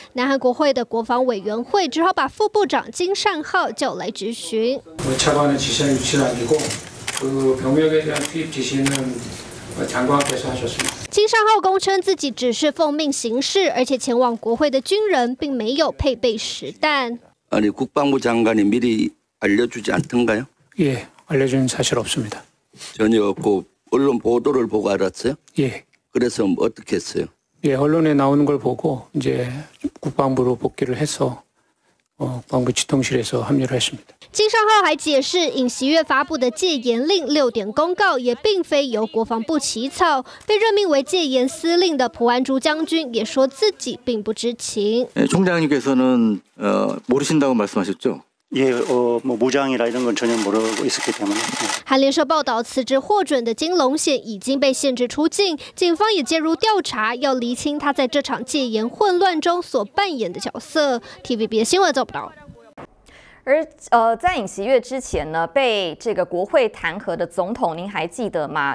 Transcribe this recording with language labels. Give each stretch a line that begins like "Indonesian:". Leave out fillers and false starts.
Chinese: 南韩国会的国防委员会只好把副部长金善浩叫来质询。
Korean: 我차관은지시한유치는아니고그병력에대한투입지시는장관께서하셨습니다。
Chinese: 金善浩公称自己只是奉命行事，而且前往国会的军人并没有配备实弹。
Korean: 아니국방부장관이미리알려주지않던가요 예알려준사실없습니다 전혀없고언론보도를보고알았어요 예 그래서어떻게했어요 예언론에나오는걸보고이제국방부로복귀를해서국방부지통실에서합류를했습니다
Chinese: 金善浩还解释，尹锡悦发布的戒严令六点公告也并非由国防部起草，被任命为戒严司令的朴安珠将军也说自己并不知情。
Korean: 총장님께서는모르신다고말씀하셨죠 예뭐무장이라이런건전혀모르고있었기때문에
Chinese: 韩联社报道，辞职获准的金龙显已经被限制出境，警方也介入调查，要厘清他在这场戒严混乱中所扮演的角色。 TVBS 新闻做不到。而在尹锡悦之前呢，被这个国会弹劾的总统，您还记得吗？